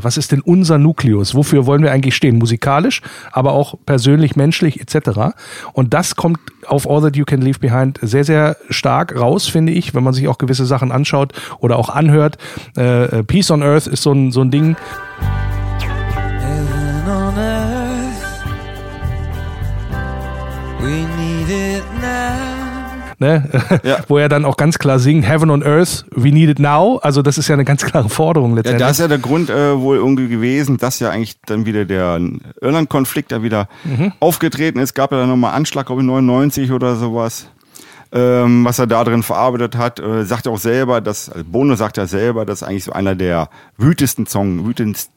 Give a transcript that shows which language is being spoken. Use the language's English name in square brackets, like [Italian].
[German] Was ist denn unser Nukleus? Wofür wollen wir eigentlich stehen? Musikalisch, aber auch persönlich, menschlich etc. Und das kommt auf All That You Can Leave Behind sehr, sehr stark raus, finde ich, wenn man sich auch gewisse Sachen anschaut oder auch anhört. Peace on Earth ist so ein Ding. [English] Heaven on Earth, we need it now. [German] Ne? Ja. Wo er dann auch ganz klar singt, [English] Heaven on Earth, we need it now. [German] Also das ist ja eine ganz klare Forderung letztendlich. Ja, da ist ja der Grund wohl irgendwie gewesen, dass ja eigentlich dann wieder der Irland-Konflikt da wieder aufgetreten ist. Gab ja dann nochmal Anschlag, glaube ich, 99 oder sowas. Was er da drin verarbeitet hat, sagt er auch selber, dass, also Bono sagt ja selber, dass eigentlich so einer der wütendsten Songs.